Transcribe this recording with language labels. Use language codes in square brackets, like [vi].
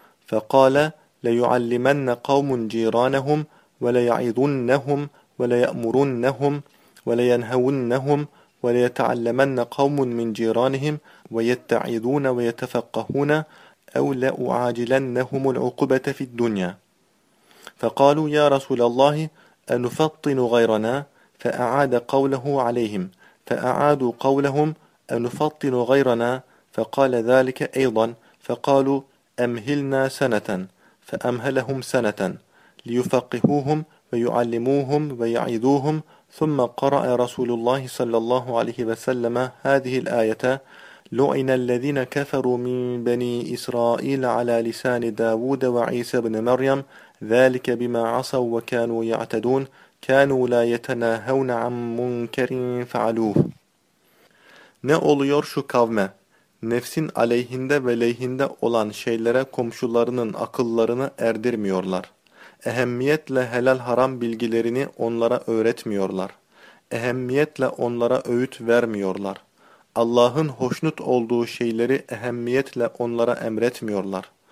[ar] Faqala la yu'allimanna qauman jiranahum wa la ya'idunnahum wa la ya'murunnahum wa la yanhawunnahum wa la yata'allamanna qauman min jiranihim وَيَتَّعِذُونَ وَيَتَفَقَّهُونَ أَوْ لَأُعَاجِلَنَّهُمُ الْعُقُبَةَ فِي الدُّنْيَا. فقالوا يا رسول الله أنفطن غيرنا؟ فأعاد قوله عليهم فأعادوا قولهم أنفطن غيرنا؟ فقال ذلك أيضا. فقالوا أمهلنا سنة. فأمهلهم سنة ليفقهوهم ويعلموهم ويعيذوهم. ثم قرأ رسول الله صلى الله عليه وسلم هذه الآية: لعن الذين كفروا من بني إسرائيل على لسان داود وعيسى بن مريم ذلك بما عصوا وكانوا يعتدون كانوا لا يتناهون عن منكر فعلوه. [tr] Ne oluyor şu kavme? Nefsin aleyhinde ve lehinde olan şeylere komşularının akıllarını erdirmiyorlar. Ehemmiyetle helal haram bilgilerini onlara öğretmiyorlar. Ehemmiyetle onlara öğüt vermiyorlar. Allah'ın hoşnut olduğu şeyleri ehemmiyetle onlara emretmiyorlar.